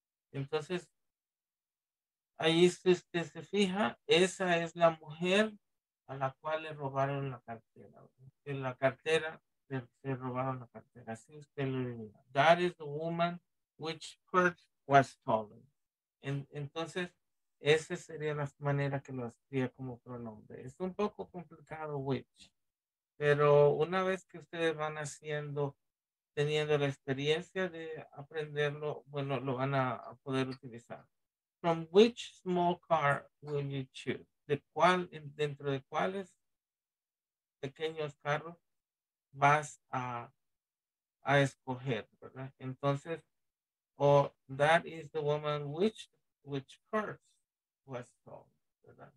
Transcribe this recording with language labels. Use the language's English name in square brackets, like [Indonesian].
[Spanish] Entonces, ahí si usted se fija, esa es la mujer a la cual le robaron la cartera. En la cartera, le robaron la cartera. Así usted lo diría. [English] That is the woman which purse was stolen. [Spanish] Entonces, esa sería la manera que lo hacía como pronombre. Es un poco complicado which, pero una vez que ustedes van haciendo, teniendo la experiencia de aprenderlo, bueno, lo van a poder utilizar. [English] From which small car will you choose? [Spanish] ¿De cuál, dentro de cuáles pequeños carros vas a escoger, verdad? Entonces, [English] that is the woman which purse was stolen, [Spanish] ¿verdad?